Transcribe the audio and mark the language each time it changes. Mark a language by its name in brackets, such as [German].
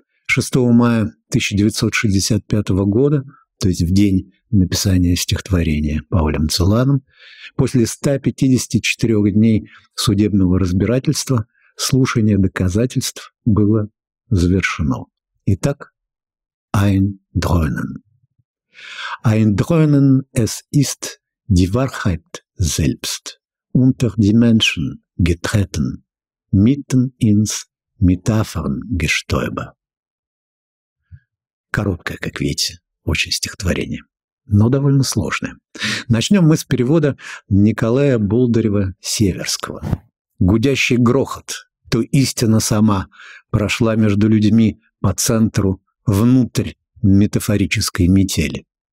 [Russian] 6 мая 1965 года, то есть в день написания стихотворения Паулем Цуланом, после 154 дней судебного разбирательства слушание доказательств было завершено. Итак, [German] «Ein Träumen». «Ein Träumen, es ist die Wahrheit selbst, unter die Menschen getreten, mitten ins Metaphern gestäube». [Russian] Короткое, как видите, очень стихотворение, но довольно сложное. Начнем мы с перевода Николая Болдырева-Северского. «Гудящий грохот, то истина сама прошла между людьми по центру внутрь метафорической метели».